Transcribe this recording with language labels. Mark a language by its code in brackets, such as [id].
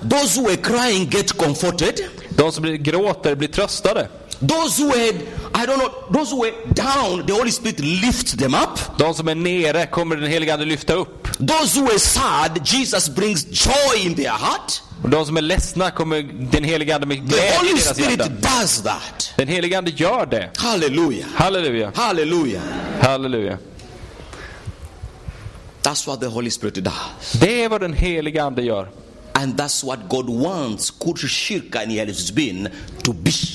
[en] Those who are crying get comforted. [sv] De som blir gråter blir tröstade. [en] Those who are, I don't know, those who are down, the Holy Spirit lifts them up. [sv] De som är nere kommer den helige ande lyfta upp. [en] Those who are sad, Jesus brings joy in their heart. [sv] Och de som är ledsna kommer den helige ande med glädje i deras hjärta. [en] The Holy Spirit does that. [sv] Den helige ande gör det. [en] Halleluja. [sv] Halleluja. [en] Halleluja. [sv] Halleluja. [en] That's what the Holy Spirit does. [sv] Det är vad den helige ande gör. [en] And that's what God wants Korskyrkan i Älvsbyn to be.